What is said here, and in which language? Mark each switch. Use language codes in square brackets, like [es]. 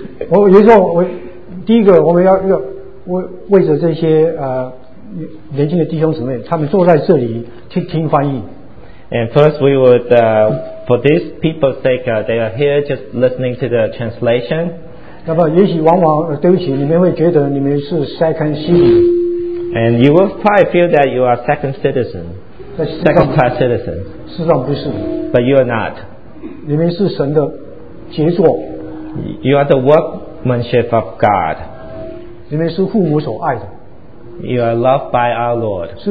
[zh] 我有时候我第一个我们要为着这些年轻的弟兄姊妹他们坐在这里听翻译。 [en] And first we would for these people's sake they are here just listening to the translation. [zh] 那么也许往往对不起你们会觉得你们是 [en] second citizen. And you will probably feel that you are second citizen, second class citizen. [zh] 事实上不是, [en] but you are not. [zh] 你们是神的杰作, [en] you are the workmanship of God. [zh] 你们是父母所爱的, [en] you are loved by our Lord.